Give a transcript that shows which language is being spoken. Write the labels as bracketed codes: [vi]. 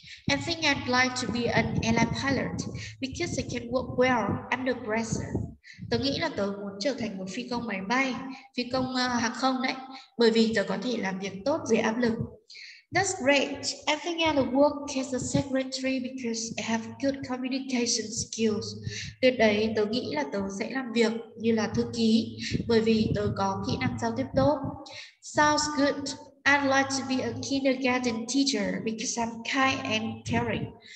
[en] I think I'd like to be an airline pilot because I can work well under pressure. [vi] Tớ nghĩ là tớ muốn trở thành một phi công máy bay, phi công hàng không đấy, bởi vì tớ có thể làm việc tốt dưới áp lực. [en] That's great. I think I'll work as a secretary because I have good communication skills. [vi] Từ đấy, tớ nghĩ là tớ sẽ làm việc như là thư ký bởi vì tớ có kỹ năng giao tiếp tốt. [en] Sounds good. I'd like to be a kindergarten teacher because I'm kind and caring.